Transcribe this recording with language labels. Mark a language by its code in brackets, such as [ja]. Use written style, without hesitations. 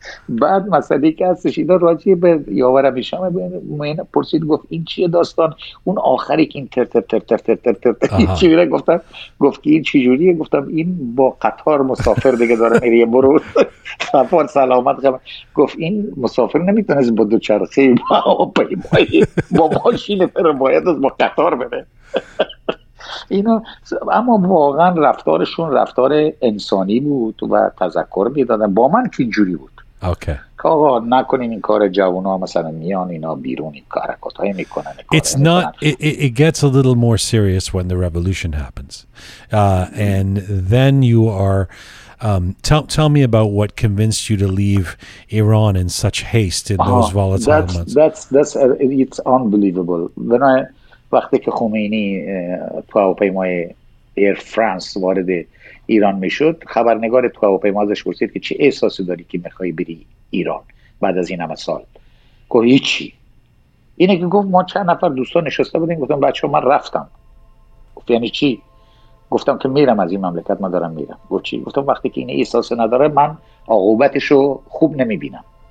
[fa] بعد مسئله که هستش اینا راجع به یاور میشام پرسید گفت این چیه داستان، اون آخری که این تر تر تر تر تر تر تر چی میره، گفتم گفت این چی جوریه، گفتم این با قطار مسافر دیگه داره میره برو سفر سلامت، گفت این مسافر نمیتونه با دو چرخه با پیمایی با ماشین بره، باید از با قطار بره اینا. اما واقعا رفتارشون رفتار انسانی بود و تذکر میدادن با من که اینجوری بود که آقا نکنین این کار، جوان ها مثلا میان اینا بیرون این کارکات های میکنن. [en] It's not, it gets a little more serious when the revolution happens. And then you are, tell me about what convinced you to leave Iran in such haste in those volatile months. It's unbelievable. When I, [fa] وقتی که خمینی تو هواپیمای ایر فرانس وارد ایران میشد، خبرنگار تو هواپیما ازش پرسید که چه احساسی داری که میخوای بری ایران بعد از این همه سال، گفت هیچی. اینه که گفت ما چند نفر دوستان نشسته بودیم، گفتم بچه من رفتم، گفت یعنی چی، گفتم که میرم از این مملکت، من دارم میرم، گفت چی، گفتم وقتی که این احساس نداره من عاقبتشو خوب نمیبینم.